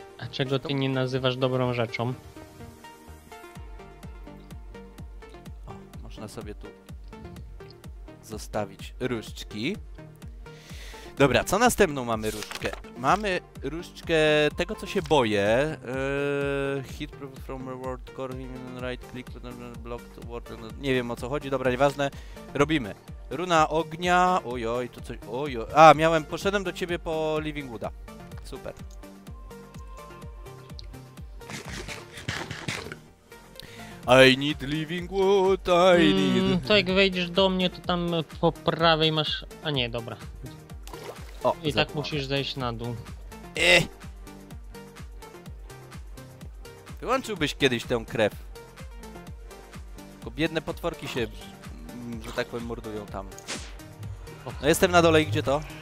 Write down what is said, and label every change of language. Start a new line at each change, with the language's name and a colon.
Polish: A czego ty nie nazywasz dobrą rzeczą? O, można sobie tu zostawić różdżki. Dobra, co następną mamy różdżkę? Mamy różdżkę tego, co się boję.
English: Hit from reward core, right click, block to ward.
Polish: Nie wiem, o co chodzi. Dobra, nieważne. Robimy. Runa ognia. Ojoj, to coś... Ojoj. A, miałem... Poszedłem do ciebie po Living Wooda. Super.
English: I need living wood, I need...
Polish: To jak wejdziesz do mnie, to tam po prawej masz... A nie, dobra. O, i tak musisz zejść na dół. Wyłączyłbyś kiedyś tę krew. Tylko biedne potworki się, że tak powiem, mordują tam. No jestem na dole i gdzie to?